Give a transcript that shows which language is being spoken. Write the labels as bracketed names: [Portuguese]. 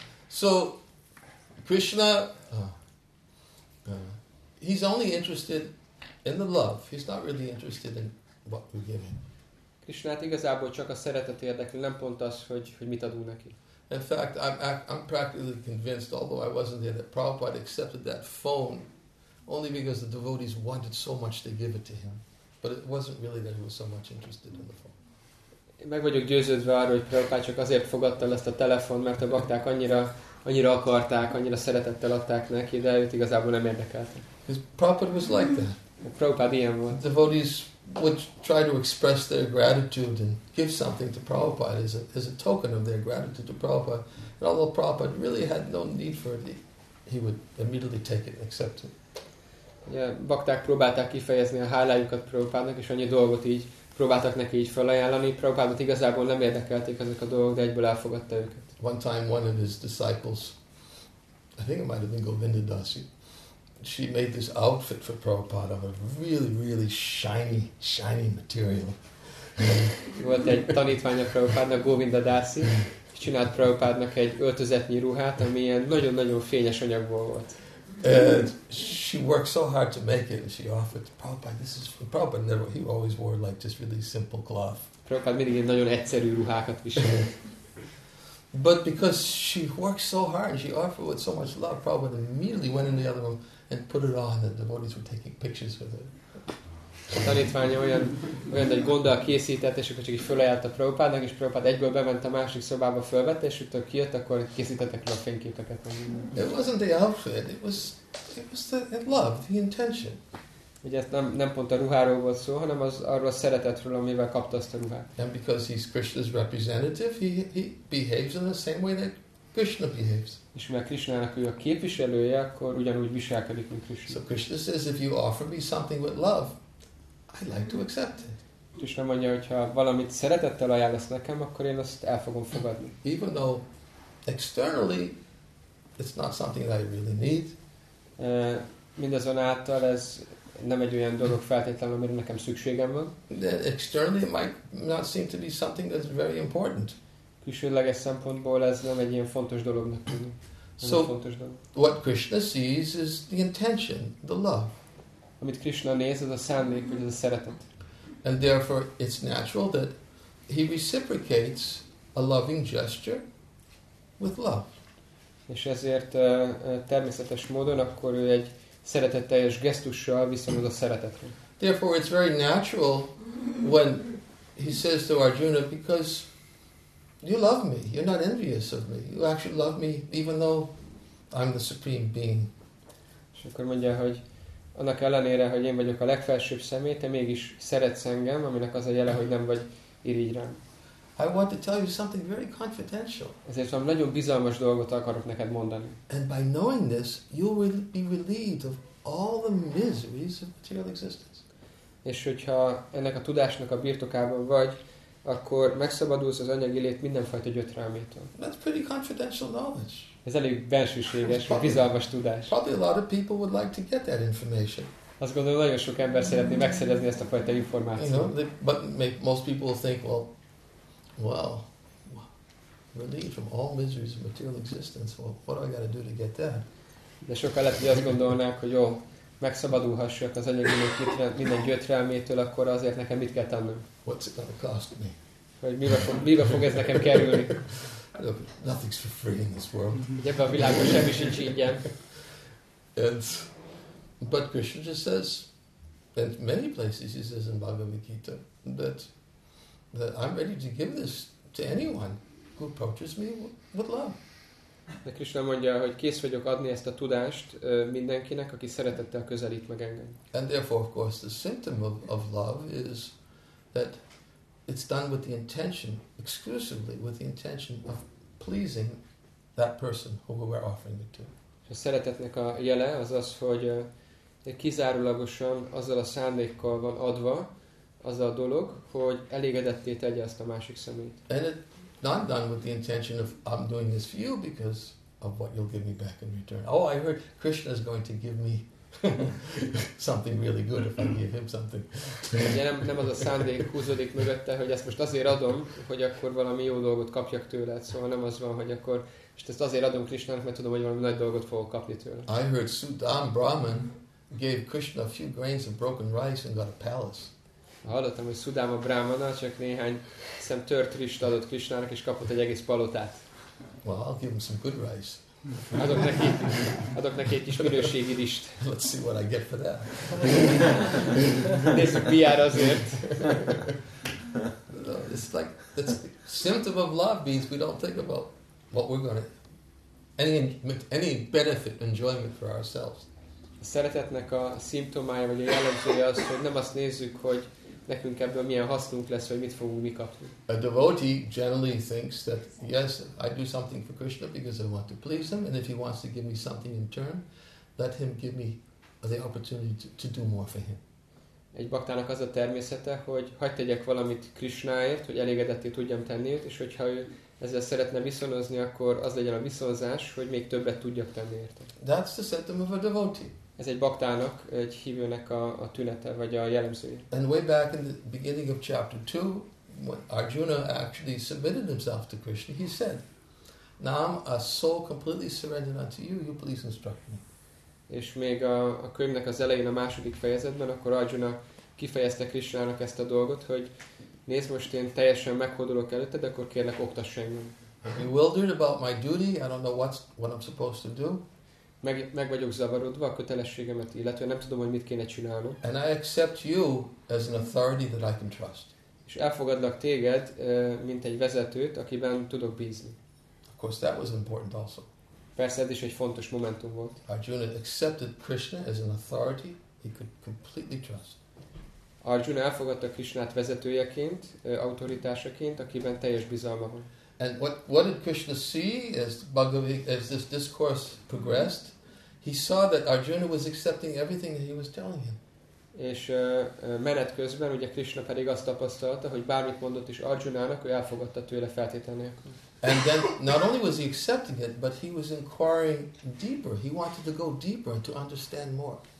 [English] So, Krishna, he's only interested in the love. He's not really interested in what we give him. [Hungarian] Krishna igazából csak a szeretet érdekli, nem pont az, hogy mit adunk neki. [English] In fact, I'm practically convinced, although I wasn't there, that Prabhupada accepted that phone only because the devotees wanted so much to give it to him, but it wasn't really that he was so much interested in the phone. [Hungarian] Meg vagyok győződve arról, hogy Prabhupád csak azért fogadta ezt a telefont, mert a bakták annyira akarták, annyira szeretettel adták neki, de őt igazából nem érdekelte. [English] Because Prabhupád was like that. [Hungarian] Prabhupád ilyen volt. [English] The devotees would try to express their gratitude and give something to Prabhupád as a token of their gratitude to Prabhupád, and although Prabhupád really had no need for it, he would immediately take it and accept it. [Hungarian] Ja, bakták próbálták kifejezni a hálájukat Prabhupádnak, és annyi dolgot így próbáltak neki így felajánlani. Prabhupádot igazából nem érdekelték ezek a dolgok, de egyből elfogadta őket. [English] One time one of his disciples, I think it might have been Govinda Dasi, she made this outfit for Prabhupada of a really, really shiny, shiny material. [Hungarian] Volt egy tanítványa Prabhupádnak, Govinda Dasi, és csinált Prabhupádnak egy öltözetnyi ruhát, ami ilyen nagyon-nagyon fényes anyagból volt. [English] And she worked so hard to make it, and she offered to Prabhupada, this is for Prabhupada. Never, he always wore like just really simple cloth. [Hungarian] Prabhupada mindig nagyon egyszerű ruhákat viselt. [English] But because she worked so hard, and she offered with so much love, Prabhupada immediately went in the other room and put it on, and the devotees were taking pictures with it. [Hungarian] A tanítványa olyan egy gonddal készített, és akkor csak így fölajánlotta Prabhupádnak, és Prabhupád egyből bement a másik szobába, fölvette, és utána kijött, akkor készítettek le a fényképeket. [English] It wasn't the outfit, it was, it, was the love, the intention. [Hungarian] Ugye nem pont a ruháról volt szó, hanem az arról a szeretetről, amivel kapta azt a ruhát. [English] And because he's Krishna's representative, he behaves in the same way that Krishna behaves. [Hungarian] És mert Krishnának ő a képviselője, akkor ugyanúgy viselkedik, mint Krishna. [English] So Krishna says, if you offer me something with love, I'd like to accept it. [Hungarian] Krishna mondja, hogyha valamit szeretettel ajánlasz nekem, akkor én azt el fogom fogadni. [English] Even though externally it's not something that I really need. [Hungarian] Mindazonáltal ez nem egy olyan dolog feltétlenül, amire nekem szükségem van. [English] Externally it might not seem to be something that's very important. [Hungarian] Külsőleges szempontból ez nem egy ilyen fontos dolognak tűnik. So fontos dolog. [English] What Krishna sees is the intention, the love. [Hungarian] Amit Krishna néz, az a szándék, vagy az a szeretet. [English] And therefore it's natural that he reciprocates a loving gesture with love. [Hungarian] És ezért természetes módon akkor ő egy szeretetteljes gesztussal viszonyul a szeretetre. [English] Therefore it's very natural when he says to Arjuna, because you love me, you're not envious of me, you actually love me even though I'm the supreme being. [Hungarian] És akkor mondja, hogy annak ellenére, hogy én vagyok a legfelsőbb személy, te mégis szeretsz engem, aminek az a jele, hogy nem vagy irigy rám. [English] I want to tell you something very confidential. [Hungarian] Ezért valami nagyon bizalmas dolgot akarok neked mondani. [English] And by knowing this, you will be relieved of all the miseries of material existence. [Hungarian] És hogyha ennek a tudásnak a birtokában vagy, akkor megszabadulsz az anyagi lét mindenfajta gyötrelmétől. [English] That's pretty confidential knowledge. [Hungarian] Ez elég bensőséges, bizalmas tudás. [English] Probably a lot of people would like to get that information. [Hungarian] Azt gondolom, nagyon sok ember szeretné megszerezni ezt a fajta információt. [English] You know, but most people think, well, relieved from all miseries of material existence. Well, what do I got to do to get that? [Hungarian] De sokan lehet, hogy azt gondolnák, hogy jó, megszabadulhassak az anyagi lét minden gyötrelmétől, akkor azért nekem mit kell tennem? [English] What's it gonna cost me? [Hungarian] Hogy mibe fog ez nekem kerülni? [English] Look, nothing's for free in this world. [Hungarian] Ebben a világban semmi sincs ingyen. [English] But Krishna just says, in many places he says in Bhagavad Gita, that I'm ready to give this to anyone who approaches me with love. [Hungarian] De Krishna mondja, hogy kész vagyok adni ezt a tudást mindenkinek, aki szeretettel közelít meg engem. [English] And therefore, of course, the symptom of love is that it's done with the intention, exclusively with the intention of pleasing that person who we're offering it to. [Hungarian] A szeretetnek a jele az az, hogy kizárólagosan azzal a szándékkal van adva az a dolog, hogy elégedetté tegye ezt a másik személyt. [English] And it not done with the intention of I'm doing this for you because of what you'll give me back in return. Oh, I heard Krishna is going to give me something really good if I give him something. [Hungarian] Nem az a szándék húzódik mögötte, hogy ezt most azért adom, hogy akkor valami jó dolgot kapjak tőle, szóval nem az van, hogy akkor és ezt azért adom Krishnának, mert tudom, hogy valami nagy dolgot fogok kapni tőle. [English] I heard Sudan Brahman gave Krishna a few grains of broken rice and got a palace. [Hungarian] Hallottam, hogy Sudama Brahmana csak néhány szem tört rizst adott Krishnának, és kapott egy egész palotát. [English] Well, I'll give him some good rice. [Hungarian] Adok neki egy kis minőségi rizst. [English] Let's see what I get for that. [Hungarian] Nézzük, mi jár azért. [English] No, it's like, it's symptom of love means we don't think about what we're going to, any benefit, enjoyment for ourselves. [Hungarian] A szeretetnek a szimptomája, vagy a jellemzője az, hogy nem azt nézzük, hogy nekünk ebből milyen hasznunk lesz, hogy mit fogunk mi kapni. [English] A devotee generally thinks that yes, I do something for Krishna because I want to please him, and if he wants to give me something in turn, let him give me the opportunity to do more for him. [Hungarian] Egy baktának az a természete, hogy hagyd tegyek valamit Krishnáért, hogy elégedetté tudjam tenni őt, és hogyha ő ezzel szeretne viszonozni, akkor az legyen a viszonzás, hogy még többet tudjak tenni érte. [English] That's the symptom of a devotee. [Hungarian] Ez egy baktának, egy hívőnek a tünete, vagy a jellemzője. [English] And way back in the beginning of chapter 2, when Arjuna actually submitted himself to Krishna, he said, now I'm a soul completely surrendered unto you, you please instruct me. [Hungarian] És még a könyvnek az elején, a második fejezetben, akkor Arjuna kifejezte Krishnának ezt a dolgot, hogy nézd, most én teljesen meghódolok előtted, akkor kérlek, oktass engem. [English] I'm bewildered about my duty, I don't know what I'm supposed to do. [Hungarian] Meg vagyok zavarodva a kötelességemet, illetve nem tudom, hogy mit kéne csinálnom. [English] And I accept you as an authority that I can trust. [Hungarian] És elfogadlak téged, mint egy vezetőt, akiben tudok bízni. [English] Of course, that was important also. [Hungarian] Persze ez is egy fontos momentum volt. [English] Arjuna accepted Krishna as an authority he could completely trust. [Hungarian] Arjuna elfogadta Krishnát vezetőjeként, autoritásaként, akiben teljes bizalma van. [English] And what did Krishna see as this discourse progressed? He saw that Arjuna was accepting everything that he was telling him. [Hungarian] És menet közben ugye Krishna pedig azt tapasztalta, hogy bármit mondott is Arjunának, ő elfogadta tőle feltétel nélkül. [English] And then not only was he accepting it, but he was inquiring deeper. He wanted to go deeper to understand more.